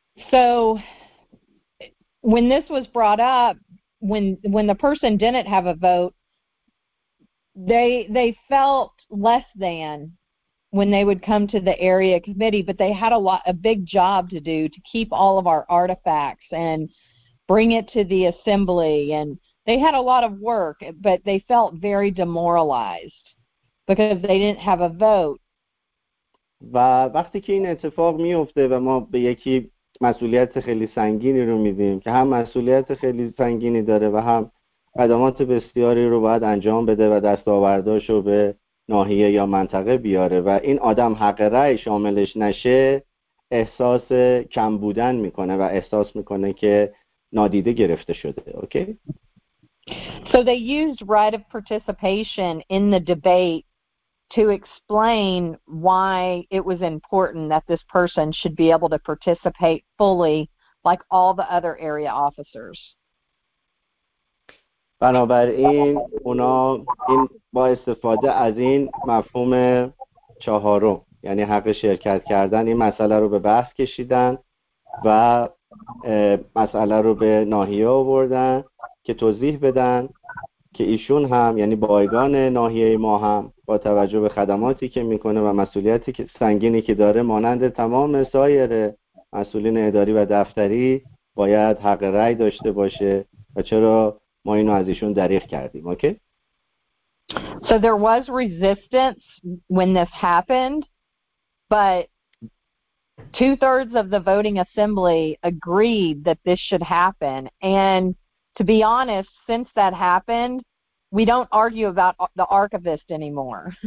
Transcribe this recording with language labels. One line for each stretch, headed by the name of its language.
English: So when this was brought up, when the person didn't have a vote, they felt less than when they would come to the area committee, but they had a big job to do to keep all of our artifacts and bring it to the assembly. And they had a lot of work, but they felt very demoralized because they didn't have a vote.
Persian: و وقتی که این اتفاق میفته و ما به یکی مسئولیت خیلی سنگینی رو میدیم که هم مسئولیت خیلی سنگینی داره و هم قدمات بسیاری رو باید انجام بده و دستاورداش رو به ناحیه یا منطقه بیاره و این آدم حق رأی شاملش نشه، احساس کم بودن میکنه و احساس میکنه که نادیده گرفته شده.
English: Okay? So they used right of participation in the debate to explain why it was important that this person should be able to participate fully like all the other area officers.
Persian: بنابراین اونا این با استفاده از این مفهوم چهارم یعنی حق شرکت کردن این مسئله رو به بحث کشیدن و مسئله رو به ناحیه آوردن که توضیح بدن که ایشون هم یعنی بایگان ناحیه ما هم با توجه به خدماتی که میکنه و مسئولیتی که سنگینی که داره مانند تمام سایر مسئولین اداری و دفتری باید حق رأی داشته باشه و چرا ما اینو از ایشون دریغ کردیم.
English: Okay? So there was resistance when this happened, but 2/3 of the voting assembly agreed that this should happen. And to be honest, since that happened, we don't argue about the archivist anymore.